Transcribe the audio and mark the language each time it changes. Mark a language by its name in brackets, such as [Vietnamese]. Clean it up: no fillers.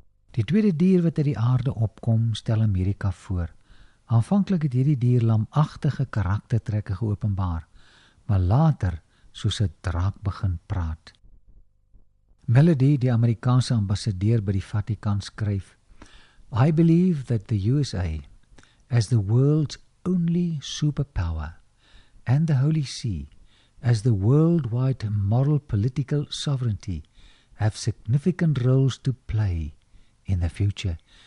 [Afrikaans] Die tweede dier wat uit die aarde opkom, stel Amerika voor. Aanvanklik het hierdie dier lamagtige karaktertrekke geopenbaar, maar later soos 'n draak begin praat. [English] Melody, [Afrikaans] die Amerikaanse ambassadeur by die Vatikaan, skryf: [English] "I believe that the USA, as the world's only superpower, and the Holy See, as the worldwide moral political sovereignty, have significant roles to play in the future.